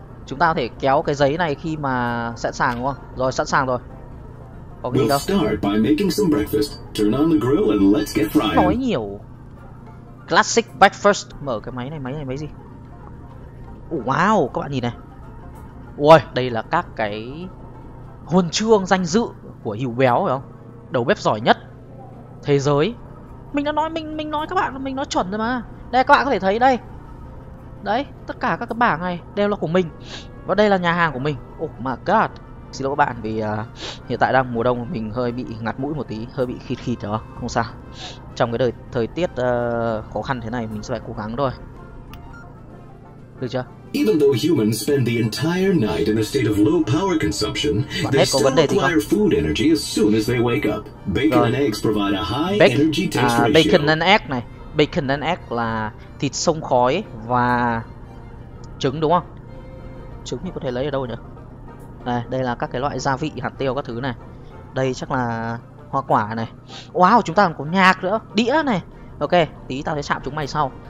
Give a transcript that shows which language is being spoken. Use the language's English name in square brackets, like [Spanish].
[Vietnamese] Chúng ta có thể kéo cái giấy này khi mà sẵn sàng đúng không? Rồi, sẵn sàng rồi. Có cái gì đâu? [English] Start by making some breakfast. Turn on the grill and let's get frying. [Vietnamese] Nói nhiều. [English] Classic breakfast. [Vietnamese] Mở cái máy này, máy gì? Oh, wow, các bạn nhìn này. Ôi, đây là các cái huân chương danh dự của Hiếu Béo, phải không? Đầu bếp giỏi nhất thế giới. Mình đã nói, mình nói các bạn, mình nói chuẩn rồi mà. Đây, các bạn có thể thấy đây. Đấy, tất cả các cái bảng này đều là của mình. Và đây là nhà hàng của mình. Oh my god. Xin lỗi các bạn vì hiện tại đang mùa đông, mình hơi bị ngạt mũi một tí, hơi bị khịt khịt đó. Không sao. Trong cái thời tiết khó khăn thế này, mình sẽ phải cố gắng thôi. Được chưa? [English] Even though humans spend the entire night in a state of low power consumption, they still acquire food energy as soon as they wake up. Bacon and eggs provide a high energy taste ratio. Bacon and egg này. [Vietnamese] Bacon and egg là thịt xông khói và trứng đúng không? Trứng thì có thể lấy ở đâu nhỉ? Đây, đây là các cái loại gia vị, hạt tiêu các thứ này. Đây chắc là hoa quả này. Wow, chúng ta còn có nhạc nữa, đĩa này. Ok, tí tao sẽ chạm chúng mày sau.